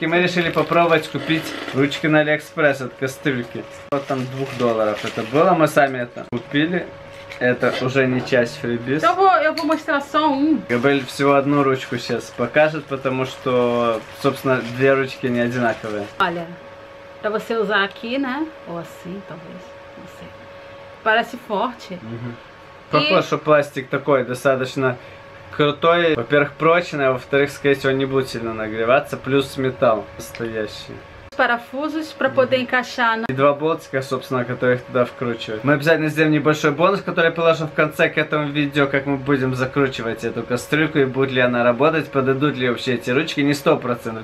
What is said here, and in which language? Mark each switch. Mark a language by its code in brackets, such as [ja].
[ru] И мы решили попробовать купить ручки на Алиэкспресс от кастрюльки. Вот там $2 это было. Мы сами это купили. Это уже не часть фрибиз. Габриэль всего одну ручку сейчас покажет, потому что, собственно, две ручки не одинаковые. [pt] Para você usar aqui, né? Ou assim, talvez. Não sei. Parece forte. Uhum. [ru] Похоже, что пластик такой достаточно крутой. Во-первых, прочный, а во-вторых, скорее всего, не будет сильно нагреваться. Плюс металл настоящий. Парафузус, чтобы поде encaixar. И два болтика, собственно, которые их туда вкручивают. Мы обязательно сделаем небольшой бонус, который я положу в конце к этому видео, как мы будем закручивать эту кастрюльку и будет ли она работать, подойдут ли вообще эти ручки. Не 100%.